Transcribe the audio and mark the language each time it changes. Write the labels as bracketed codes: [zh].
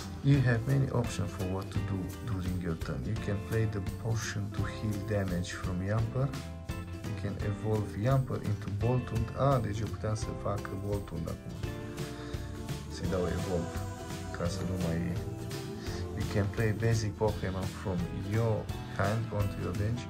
[en] You have many options for what to do during your turn. You can play the potion to heal damage from Yumper. You can evolve Yumper into Boltund. [ro] Ah, deci eu puteam să fac Boltund acum. Să-i dau evolve, ca să nu mai e. [en] You can play basic Pokémon from your hand onto your bench.